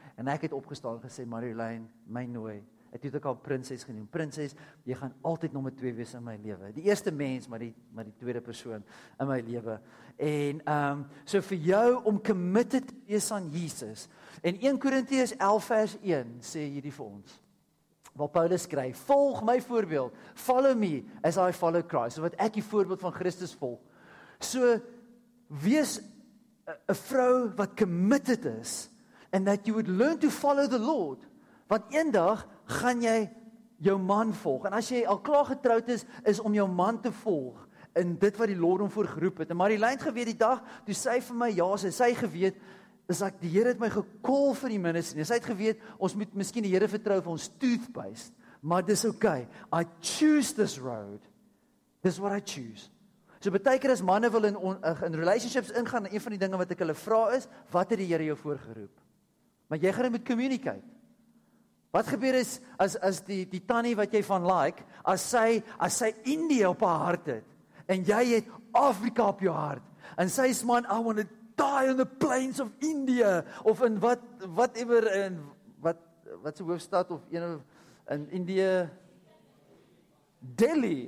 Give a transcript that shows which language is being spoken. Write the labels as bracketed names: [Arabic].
[Afrikaans] En ek het opgestaan en gesê, Marilyn, my nooi. Ek het ook al prinses genoem. Prinses, jy gaan altyd nommer 2 wees in my lewe. Die eerste mens, maar die tweede persoon in my lewe. En so vir jou om committed te wees aan Jesus. En 1 Korintiërs 11 vers 1 sê hierdie vir ons. Waar Paulus skryf, volg my voorbeeld. [English] Follow me as I follow Christ. [Afrikaans] So wat ek die voorbeeld van Christus volg. So wees 'n vrou wat committed is. [English] And that you would learn to follow the Lord. [Afrikaans] Want eendag gaan jy jou man volg. En as jy al klaar getroud is, is om jou man te volg in dit wat die Lord hom voor geroep het. En Marilyn geweet die dag toe sy vir my ja sê, sy geweet is ek die Here het my gekol vir die ministerie. En sy het geweet ons moet miskien die Here vertrou vir ons toothpaste. Maar dis okay. [English] I choose this road. This is what I choose. [Afrikaans] So beteken as manne wil in relationships ingaan, een van die dinge wat ek hulle vra is, wat het die Here jou voor geroep? Maar jy gaan dit moet communicate. Wat gebeur is as die tannie wat jy van like, as sy Indië op haar hart het en jy het Afrika op jou hart en sy sê man [English] I want to die on the plains of India [Afrikaans] of in whatever in wat se hoofstad of een in Indië Delhi.